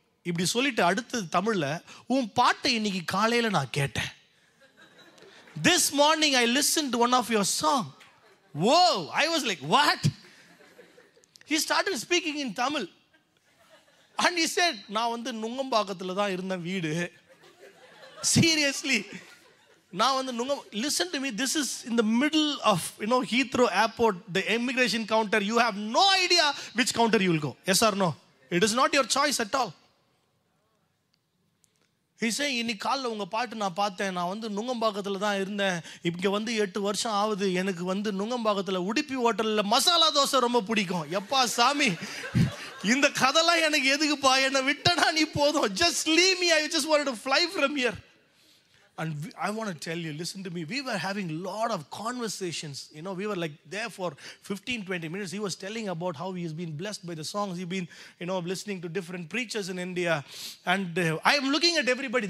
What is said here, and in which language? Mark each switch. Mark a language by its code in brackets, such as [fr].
[ta] இப்படி சொல்லிட்டு அடுத்தது தமிழ்ல உன் பாட்டை இன்னைக்கு காலையில நான் கேட்டேன். [en] This morning I listened to one of your song. Whoa, I was like, what? He started speaking in Tamil. And he said, [ta] நான் வந்து நுங்கம்பாக்கத்துல தான் இருந்தேன் வீடு. [en] Seriously. [ta] நான் வந்து [en] listen to me, this is in the middle of, you know, Heathrow Airport, the immigration counter. You have no idea which counter you will go. Yes or no? It is not your choice at all. He's saying, [ta] இன்னைக்கு காலில் உங்கள் பாட்டு நான் பார்த்தேன். நான் வந்து நுங்கம்பாக்கத்தில் தான் இருந்தேன். இங்கே வந்து 8 வருஷம் ஆகுது. எனக்கு வந்து நுங்கம்பாக்கத்தில் உடுப்பி ஹோட்டலில் மசாலா தோசை ரொம்ப பிடிக்கும். எப்பா சாமி, இந்த கதைலாம் எனக்கு எதுக்குப்பா? என்னை விட்டனா நீ போதும். [en] Just leave me. I just want to fly from here. And I want to tell you, listen to me. We were having a lot of conversations. You know, we were like there for 15, 20 minutes. He was telling about how he has been blessed by the songs. He's been, you know, listening to different preachers in India. And I'm looking at everybody.